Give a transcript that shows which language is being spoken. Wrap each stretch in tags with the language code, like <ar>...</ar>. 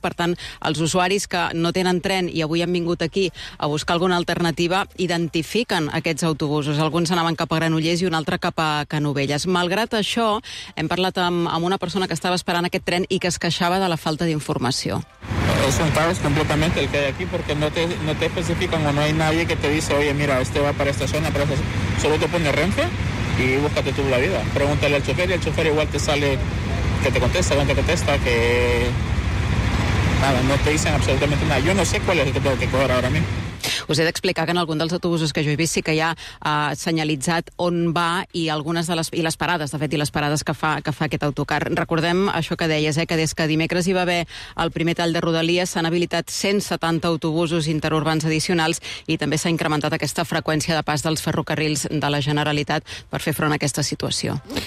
<ca>Per tant, els usuaris que no tenen tren i avui han vingut aquí a buscar alguna alternativa identifiquen aquests autobusos. Alguns anaven cap a Granollers i un altre cap a Canovelles. Malgrat això, hem parlat amb una persona que estava esperant aquest tren i que es queixava de la falta d'informació.</ca> <es>Es un caos completamente el que hay aquí porque no te especifican o no hay nadie que te dice, oye, mira, este va para esta zona, para esta zona. Solo te pone Renfe y búscate tú la vida. Pregúntale al chofer y el chofer igual te sale, que te contesta, que te contesta, que nada, no te dicen absolutamente nada. Yo no sé cuál es el que tengo que coger ahora mismo.</es> <ca>Us he d'explicar que en algun dels autobusos que jo he vist sí que hi ha senyalitzat on va i algunes de les, i les parades, de fet, i les parades que fa aquest autocar. Recordem això que deies, que des que dimecres hi va haver el primer tall de Rodalies s'han habilitat 170 autobusos interurbans addicionals i també s'ha incrementat aquesta freqüència de pas dels ferrocarrils de la Generalitat per fer front a aquesta situació.</ca>